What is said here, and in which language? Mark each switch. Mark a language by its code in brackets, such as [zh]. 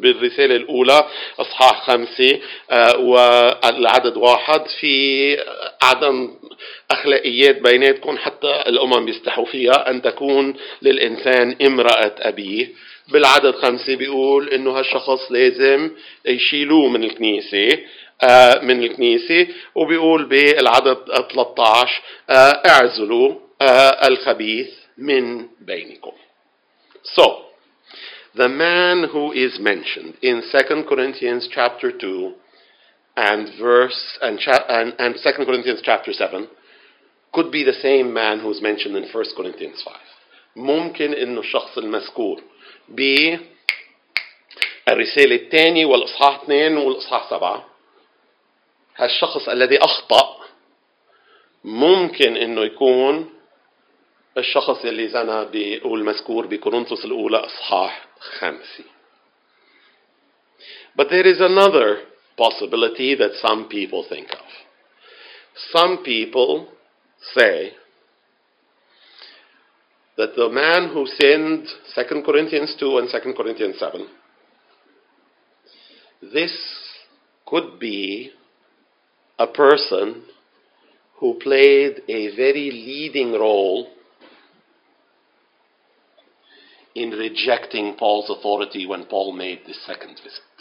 [ar] بالرسالة الأولى أصحاح 5 والعدد 1 في عدم أخلاقيات بيناتكم حتى الأمم بيستحوا فيها أن تكون للإنسان امرأة أبيه. بالعدد 5 بيقول إنه هالشخص لازم يشيلوه من الكنيسة وبيقول بالعدد 13 اعزلوا الخبيث من بينكم. [en] So the man who is mentioned in 2 Corinthians chapter 2 and 2 Corinthians chapter 7 could be the same man who's mentioned in 1 Corinthians 5. [ar] ممكن إنه الشخص المذكور بالرسالة الثانية والإصحاح 2 والإصحاح 7 هالشخص الذي أخطأ ممكن إنه يكون الشخص اللي زنى بالمذكور بكورنثوس الأولى إصحاح 5. [en] But there is another possibility that some people think of. Some people say that the man who sinned 2 Corinthians 2 and 2 Corinthians 7, this could be a person who played a very leading role in rejecting Paul's authority when Paul made the second visit.